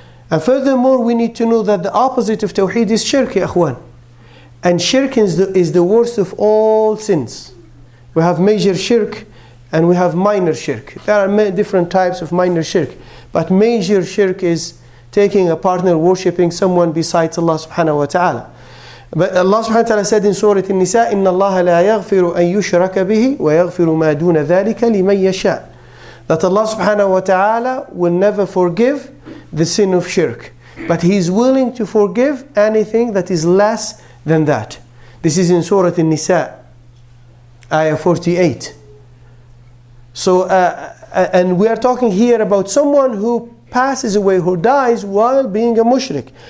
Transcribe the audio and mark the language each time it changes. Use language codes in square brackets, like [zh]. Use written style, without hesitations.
[en] And furthermore, we need to know that the opposite of Tawheed is Shirk, ya akhwan. And Shirk is the worst of all sins. We have major Shirk and we have minor Shirk. There are many different types of minor Shirk. But major Shirk is taking a partner, worshipping someone besides Allah subhanahu wa ta'ala. But Allah subhanahu wa ta'ala said in Surah An-Nisa, [ar] إِنَّ اللَّهَ لَا يَغْفِرُ أَن يُشْرَكَ بِهِ وَيَغْفِرُ مَا دُونَ ذَلِكَ لِمَن يَشَاءُ. [en] That Allah subhanahu wa ta'ala will never forgive the sin of shirk. But He is willing to forgive anything that is less than that. This is in Surah An-Nisa, Ayah 48. So, and we are talking here about someone who passes away, who dies while being a mushrik.